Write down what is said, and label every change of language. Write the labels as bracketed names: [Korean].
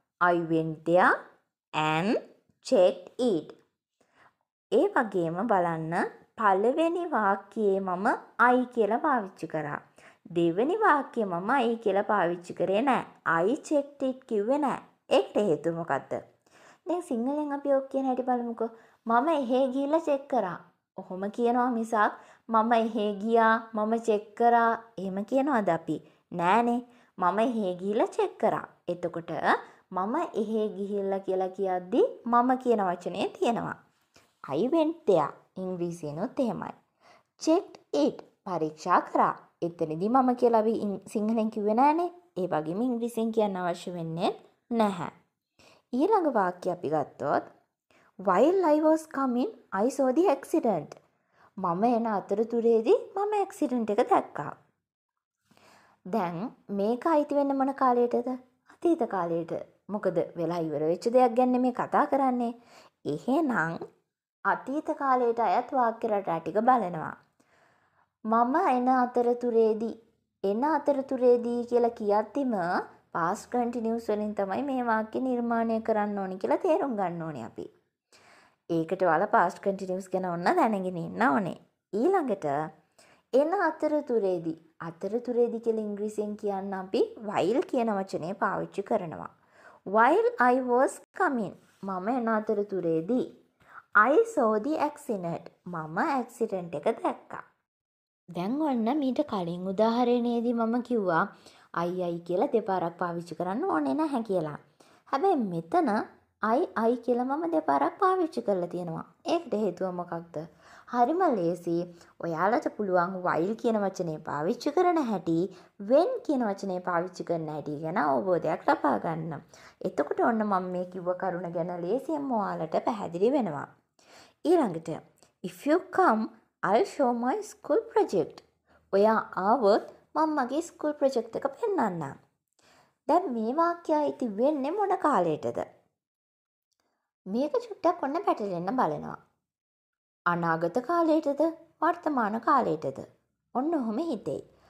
[English] I went there and checked it. [Sinhala] ඒ වගේම බලන්න පළවෙනි වාක්‍යයේ මම I කියලා පාවිච්චි කරා. දෙවෙනි වාක්‍යයේ මම I කියලා පාවිච්චි කරේ නැහැ. [English] I checked it [Sinhala] කිව්වේ නැහැ. ඒකට හේතුව මොකද්ද? දැන් සිංහලෙන් අපි ඔක් කියන හැටි බලමුකෝ. මම එහෙ ගිහිල්ලා චෙක් කරා. ඔහොම කියනවා මිසක් මම එහෙ ගියා, මම චෙක් කරා එහෙම කියනවාද අපි? නෑනේ. මම එහෙ ගිහිල්ලා චෙක් කරා. එතකොට මම එහෙ ගිහිල්ලා කියලා කියද්දි මම කියන වචනේ තියෙනවා. [English] I went there. [Sinhala] ඉංග්‍රීසියනොත් එහෙමයි. [English] Checked it. [Sinhala] පරීක්ෂා කරා. එතනදි මම කියලා අපි සිංහලෙන් කිව්වේ නෑනේ. ඒ වගේම ඉංග්‍රීසියෙන් කියන්න අවශ්‍ය වෙන්නේ නැහැ. ඊළඟ වාක්‍ය අපි ගත්තොත් [English] While I was coming, I saw the accident. [Sinhala] මම එන අතරතුරේදී මම ඇක්සිඩන්ට් එක දැක්කා. දැන් මේක අයිති වෙන්න මොන කාලයටද? අතීත කාලයට. මොකද වෙලා ඉවර වෙච්ච දෙයක් ගැන මේ කතා කරන්නේ. එහෙනම් අතීත කාලයට අයත් වාක්‍ය රටා ටික බලනවා. මම එන අතරතුරේදී, එන අතරතුරේදී කියලා කියද්දිම past continuous වලින් තමයි මේ වාක්‍ය නිර්මාණය කරන්න ඕනි කියලා තේරුම් ගන්න ඕනේ අපි. ඒකට වල past continuous ගැන ඔන්න දැනගෙන ඉන්න ඕනේ. ඊළඟට එන අතරතුරේදී, අතරතුරේදී කියලා ඉංග්‍රීසියෙන් කියන්න අපි while කියන වචනේ පාවිච්චි කරනවා. [English] While I was coming, [Sinhala] මම එන අතරතුරේදී [English] I saw the accident. [Sinhala] මම ඇක්සිඩන්ට් එක දැක්කා. දැන් ඔන්න මීට කලින් උදාහරණයේදී මම කිව්වා අයි කියලා දෙපාරක් පාවිච්චි කරන්න ඕනේ නැහැ කියලා. හැබැයි මෙතන අයි කියලා මම දෙපාරක් පාවිච්චි කරලා තියෙනවා. ඒකට හේතුව මොකක්ද? හරිම ලේසි. ඔයාලට පුළුවන් while කියන වචනේ පාවිච්චි කරන හැටි, when කියන වචනේ පාවිච්චි කරන හැටි ගැන අවබෝධයක් ලබා ගන්න. එතකොට ඔන්න මම මේ කිව්ව කරුණ ගැන ලේසියෙන් ඔයාලට පැහැදිලි වෙනවා. [English] ඊළඟට if you come, I'll show my school project. [Sinhala] ඔයා ආවොත් මම මගේ ස්කූල් ප්‍රොජෙක්ට් එක පෙන්වන්නම්. දැන් මේ වාක්‍යය ඉති වෙන්නේ මොන කාලයටද? මේක චුට්ටක් ඔන්න පැටලෙන්න බලනවා. අනාගත කාලයටද, වර්තමාන කාලයටද? ඔන්න ඔහොම හිතෙයි.